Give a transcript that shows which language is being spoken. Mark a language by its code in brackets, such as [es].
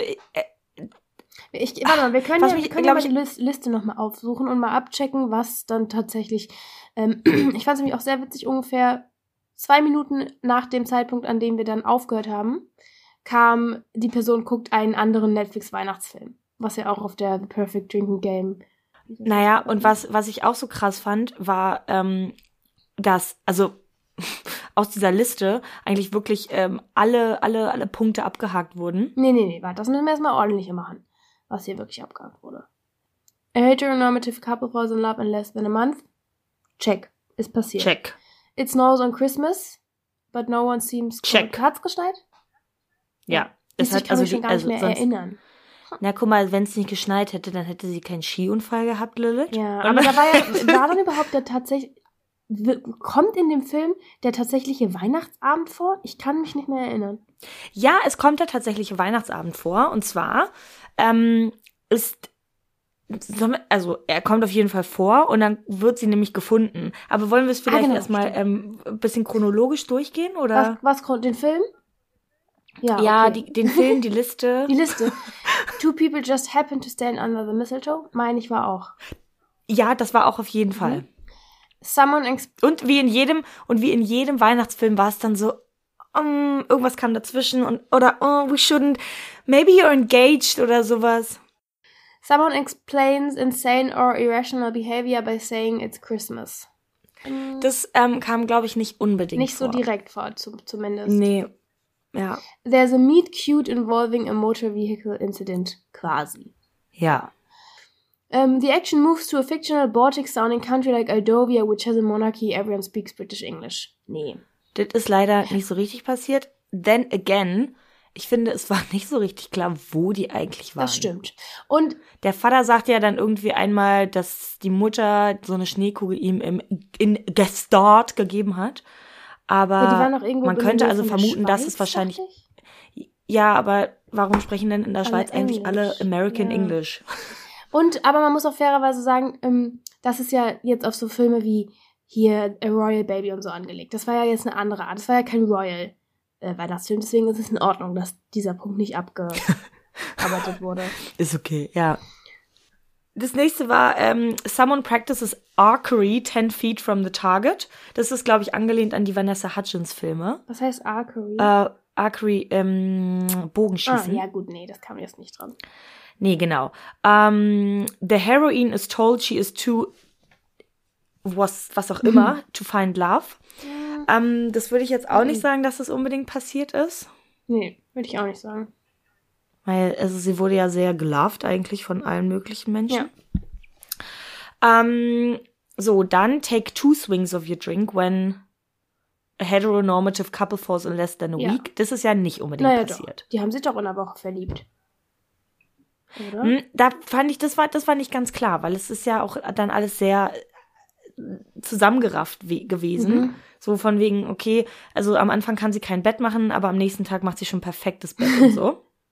[de] warte mal, wir können die Liste nochmal aufsuchen und mal abchecken, was dann tatsächlich, ich fand es nämlich auch sehr witzig, ungefähr 2 Minuten nach dem Zeitpunkt, an dem wir dann aufgehört haben, kam die Person, guckt einen anderen Netflix-Weihnachtsfilm, was ja auch auf der The Perfect Drinking Game. Naja, und was ich auch so krass fand, war, dass, also aus dieser Liste eigentlich wirklich alle Punkte abgehakt wurden. Nee, warte, das müssen wir erstmal ordentlicher machen, was hier wirklich abgehakt wurde. [en] A heteronormative couple falls in love in less than a month. [de] Check. Ist passiert. Check. [en] It snows on Christmas, but no one seems to check. [de] Hat's geschneit? Ja. Es hat, ich kann also mich schon gar nicht mehr erinnern. Na, guck mal, wenn es nicht geschneit hätte, dann hätte sie keinen Skiunfall gehabt, Lilith. Ja, aber da war dann überhaupt der tatsächlich... Kommt in dem Film der tatsächliche Weihnachtsabend vor? Ich kann mich nicht mehr erinnern. Ja, es kommt der tatsächliche Weihnachtsabend vor. Und zwar er kommt auf jeden Fall vor und dann wird sie nämlich gefunden. Aber wollen wir es vielleicht erstmal ein bisschen chronologisch durchgehen? Oder? Was, den Film? Ja, okay. Den Film, die Liste. Die Liste. [en] Two people just happen to stand under the mistletoe. [de] Meine ich war auch. Ja, das war auch auf jeden Fall. Und wie in jedem Weihnachtsfilm war es dann so, irgendwas kam dazwischen und oder [en] we shouldn't, maybe you're engaged [de] oder sowas. [en] Someone explains insane or irrational behavior by saying it's Christmas. [de] Das kam, glaube ich, nicht unbedingt nicht vor. So direkt vor, zumindest. Nee, ja. [en] There's a meet cute involving a motor vehicle incident, quasi. [de] Ja. [en] The action moves to a fictional Baltic-sounding country like Aldovia, which has a monarchy, everyone speaks British English. [de] Nee. Das ist leider nicht so richtig passiert. [en] Then again, [de] ich finde, es war nicht so richtig klar, wo die eigentlich waren. Das stimmt. Und der Vater sagt ja dann irgendwie einmal, dass die Mutter so eine Schneekugel ihm in Gestort gegeben hat. Aber die waren auch irgendwo, man könnte also vermuten, dass es wahrscheinlich... Ja, aber warum sprechen denn in der Schweiz eigentlich alle American English? Und, aber man muss auch fairerweise sagen, das ist ja jetzt auf so Filme wie hier A Royal Baby und so angelegt. Das war ja jetzt eine andere Art. Das war ja kein Royal Weihnachtsfilm. Deswegen ist es in Ordnung, dass dieser Punkt nicht abgearbeitet wurde. Ist okay, ja. Das nächste war Someone Practices Archery 10 Feet from the Target. Das ist, glaube ich, angelehnt an die Vanessa Hudgens Filme. Was heißt Archery? Archery, Bogenschießen. Ah, ja gut, nee, das kam jetzt nicht dran. Nee, genau. [en] The heroine is told she is too, [de] was auch immer, [en] to find love. [de] Ja. Das würde ich jetzt auch nicht sagen, dass das unbedingt passiert ist. Nee, würde ich auch nicht sagen. Weil, also sie wurde ja sehr geloved eigentlich von allen möglichen Menschen. Ja. So, dann [en] take two swings of your drink when a heteronormative couple falls in less than a week. [de] Das ist ja nicht unbedingt passiert. Doch. Die haben sich doch in der Woche verliebt. Oder? Da fand ich, das war nicht ganz klar, weil es ist ja auch dann alles sehr zusammengerafft gewesen. Mhm. So von wegen, okay, also am Anfang kann sie kein Bett machen, aber am nächsten Tag macht sie schon perfektes Bett und so.